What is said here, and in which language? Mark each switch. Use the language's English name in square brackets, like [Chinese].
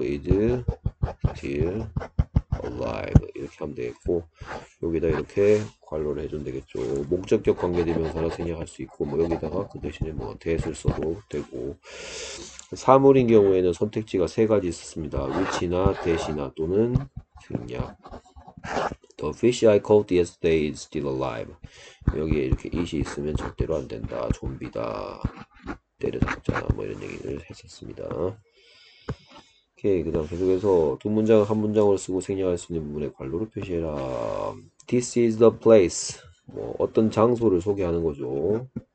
[English] is still alive [Korean] 이렇게 하면 되겠고 여기다 이렇게 괄호를 해주면 되겠죠. 목적격 관계대명사라 생략할 수 있고 뭐 여기다가 그 대신에 뭐 that을 써도 되고 사물인 경우에는 선택지가 세 가지 있습니다. which나 that이나 또는 생략. [English] The fish I caught yesterday is still alive. [Korean] 여기에 이렇게 it이 있으면 절대로 안 된다. 좀비다. 때려잡자 뭐 이런 얘기를 했었습니다. 오케이, 그 다음 계속해서 두 문장을 한 문장으로 쓰고 생략할 수 있는 부분에 괄호로 표시해라. [English] This is the place. [Korean] 뭐 어떤 장소를 소개하는 거죠.